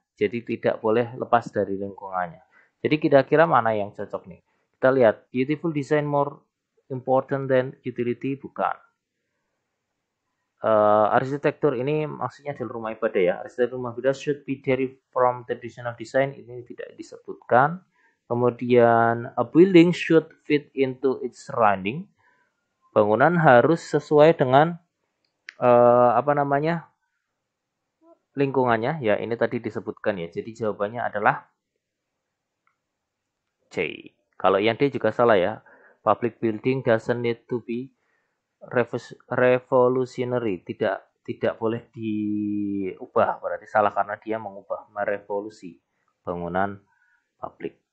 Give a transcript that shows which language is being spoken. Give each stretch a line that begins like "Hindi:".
Indonesian: Jadi tidak boleh lepas dari lingkungannya. Jadi kira-kira mana yang cocok nih? Kita lihat
English: beautiful design more important than utility,
Indonesian: bukan. Arsitektur ini maksudnya adalah rumah ibadah ya. Arsitektur rumah ibadah
English: should be derived from traditional design,
Indonesian: ini tidak disebutkan. Kemudian
English: a building should fit into its surrounding.
Indonesian: Bangunan harus sesuai dengan apa namanya? Lingkungannya. Ya, ini tadi disebutkan ya. Jadi jawabannya adalah C. Kalau yang D juga salah ya.
English: Public building doesn't need to be revolutionary,
Indonesian: tidak boleh diubah, berarti salah karena dia mengubah, merevolusi bangunan publik.